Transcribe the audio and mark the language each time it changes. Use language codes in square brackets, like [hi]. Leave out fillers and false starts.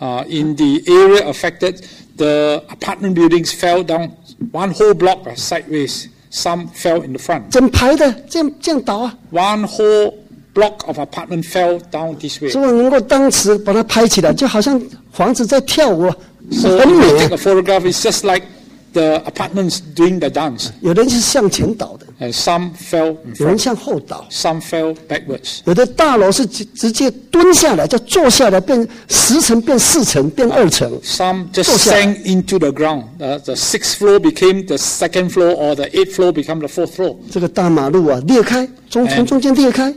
[en] In the area affected, the apartment buildings fell down one whole block sideways. Some fell in the front. [zh] 整排的这样倒啊。 [en] One whole block of apartment fell down this way. [zh] 所以能够当时把它拍起来，就好像房子在跳舞，so 很美。 [en] Take a photograph. It's just like the apartments doing the dance. [zh] 有的人是向前倒的。 [en] And some fell in front. [zh] 有人向后倒。 [en] Some fell backwards. [zh] 有的大楼是直接蹲下来，就坐下来，变10层，变4层，变2层。 [en] Some just sank into the ground. The sixth floor became the second floor, or the eighth floor became the fourth floor. [zh] 这个大马路裂开，从中间裂开。